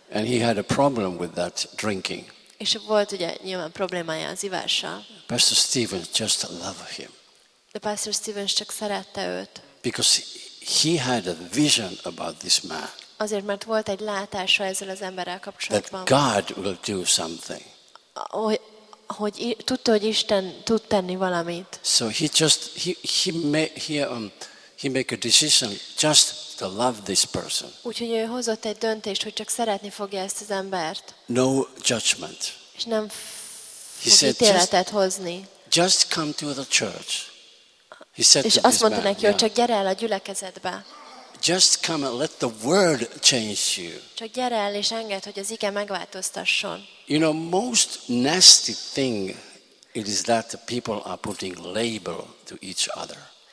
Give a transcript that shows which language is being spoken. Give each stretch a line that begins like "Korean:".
English: And he had a problem with that drinking.
Hungarian: És volt ugye nyilván problémája az ivással.
English: Pastor Stevens just loved him.
Hungarian: De Pastor Stevens csak szerette őt.
English: Because he had a vision about this man.
Hungarian: Azért, mert volt egy látása ezzel az emberrel kapcsolatban.
English: That God will do something.
Hungarian: Hogy tudta, hogy Isten tud tenni valamit.
English: So he made a decision just to love this person.
Hungarian: Úgyhogy ő hozott egy döntést, hogy csak szeretni fogja ezt az embert.
English: No judgment.
Hungarian: És nem fog ítéletet hozni.
English: Just come to the church. He said
Hungarian: és
English: to
Hungarian: azt mondta
English: man,
Hungarian: neki, hogy csak gyere el a gyülekezetbe.
English: Just come and let the word change you.
Hungarian: Csak gyere el és engedd, hogy az ige megváltoztasson.
English: You know, most nasty thing it is that the people are putting label to each other.